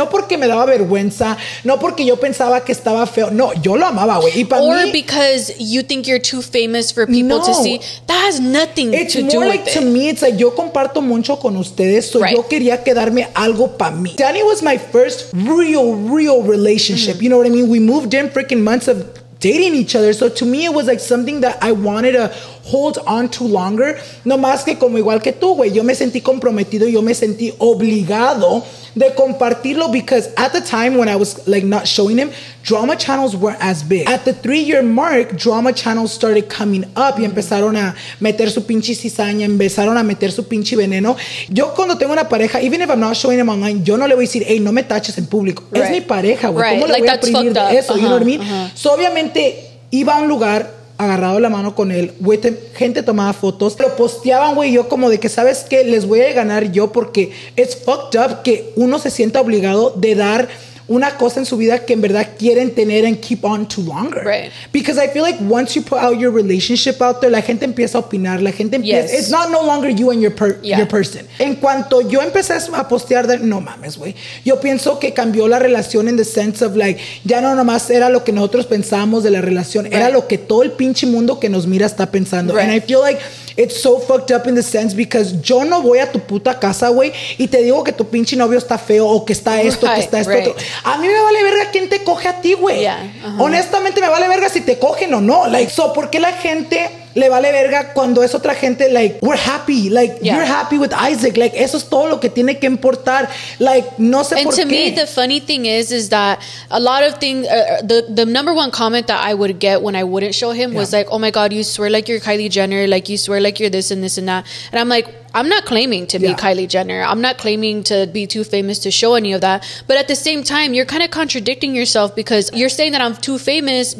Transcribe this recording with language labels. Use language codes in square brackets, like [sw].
[es] No porque me daba vergüenza. No porque yo pensaba que estaba feo. No, yo lo amaba, güey. [en] Or because you think you're too famous for people to see. That has nothing to do with it. [es] To me, it's like yo comparto mucho con ustedes. So yo quería quedarme algo para mí. [en] Danny was my first real, real relationship. You know what I mean? We moved in freaking months of dating each other. So to me, it was like something that I wanted to hold on to longer. [es] No más que como igual que tú, güey. Yo me sentí comprometido. [en] Yo me sentí obligado de compartirlo because at the time when I was like not showing him, drama channels weren't as big. [es] At the 3-year mark, drama channels started coming up y empezaron a meter su pinche cizaña, empezaron a meter su pinche veneno. Yo cuando tengo una pareja, even if I'm not showing him online, yo no le voy a decir, hey, no me taches en público. Right. Es mi pareja, güey. Right. ¿Cómo le like, voy a prohibir de eso? You know what I mean? So obviamente iba a un lugar agarrado la mano con él, güey, gente tomaba fotos, lo posteaban, güey, yo como de que, ¿sabes qué? Les voy a ganar yo porque es fucked up que uno se sienta obligado de dar una cosa en su vida que en verdad quieren tener and keep on too longer. [en] Right. Because I feel like once you put out your relationship out there, la gente empieza a opinar, la gente empieza, it's not no longer you and your person. [es] En cuanto yo empecé a postear, no mames, güey, yo pienso que cambió la relación in the sense of like, ya no nomás era lo que nosotros pensábamos de la relación, era lo que todo el pinche mundo que nos mira está pensando. Right. And I feel like it's so fucked up in the sense because yo no voy a tu puta casa, güey, y te digo que tu pinche novio está feo o que está esto, que está esto. Otro. A mí me vale verga quién te coge a ti, güey. [en] Yeah. [es] Honestamente, me vale verga si te cogen o no. Like, so, ¿por qué la gente le vale verga cuando es otra gente? [en] Like, we're happy. Like, you're happy with Isaac. [es] Like, eso es todo lo que tiene que importar. Like, no sé por qué. [en] And to me, the funny thing is that a lot of things, the number one comment that I would get when I wouldn't show him was like, oh my God, you swear like you're Kylie Jenner. Like, you swear like you're this and this and that. And I'm like, I'm not claiming to be Kylie Jenner. I'm not claiming to be too famous to show any of that. But at the same time, you're kind of contradicting yourself because you're saying that I'm too famous.